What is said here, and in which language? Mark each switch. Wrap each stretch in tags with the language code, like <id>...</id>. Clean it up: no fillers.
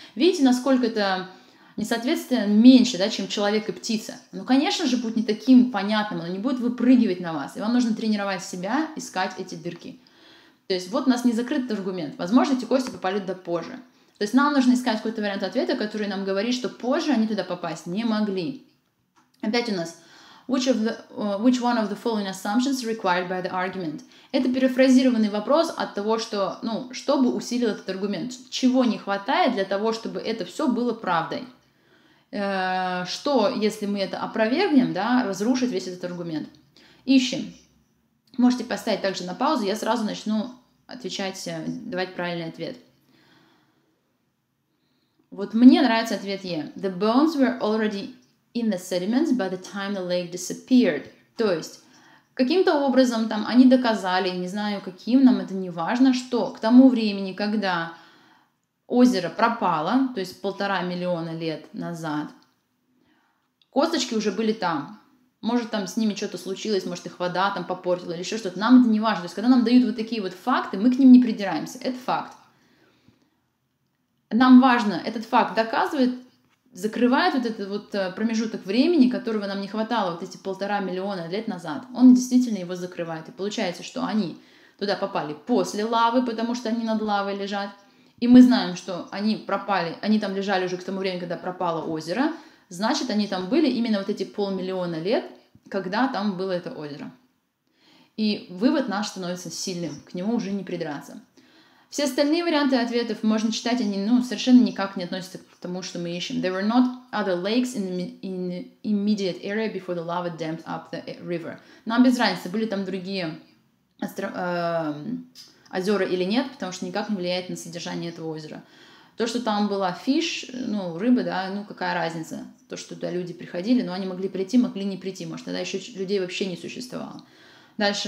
<ru>Видите, насколько это несоответствие меньше, да, чем человек и птица. Ну, конечно же, будет не таким понятным, оно не будет выпрыгивать на вас. И вам нужно тренировать себя, искать эти дырки. То есть вот у нас не закрыт аргумент. Возможно, эти кости попали туда позже. То есть нам нужно искать какой-то вариант ответа, который нам говорит, что позже они туда попасть не могли. Опять у нас</ru> <en>which one of the following assumptions required by the argument?</en> <ru>Это перефразированный вопрос от того, что, ну, что бы усилило этот аргумент. Чего не хватает для того, чтобы это все было правдой? Что, если мы это опровергнем, да, разрушит весь этот аргумент? Ищем. Можете поставить также на паузу, я сразу начну отвечать, давать правильный ответ. Вот мне нравится ответ Е.</ru> <en>The bones were already in the sediments by the time the lake disappeared.</en> <ru>То есть каким-то образом там они доказали, не знаю каким, нам это не важно, что к тому времени, когда озеро пропало, то есть 1,5 миллиона лет назад, косточки уже были там. Может, там с ними что-то случилось, может, их вода там попортила или еще что-то. Нам это не важно. То есть когда нам дают вот такие вот факты, мы к ним не придираемся. Это факт. Нам важно, этот факт доказывает, закрывает вот этот вот промежуток времени, которого нам не хватало вот эти 1,5 миллиона лет назад. Он действительно его закрывает. И получается, что они туда попали после лавы, потому что они над лавой лежат. И мы знаем, что они пропали, они там лежали уже к тому времени, когда пропало озеро. Значит, они там были именно вот эти 500 000 лет, когда там было это озеро. И вывод наш становится сильным, к нему уже не придраться. Все остальные варианты ответов можно читать, они совершенно никак не относятся к тому, что мы ищем.</ru> <en>There were not other lakes in the immediate area before the lava dammed up the river.</en> <ru>Нам без разницы, были там другие озера или нет, потому что никак не влияет на содержание этого озера. То, что там была fish, рыба, какая разница? То, что туда люди приходили, они могли прийти, могли не прийти. Может, тогда еще людей вообще не существовало. Дальше.</ru>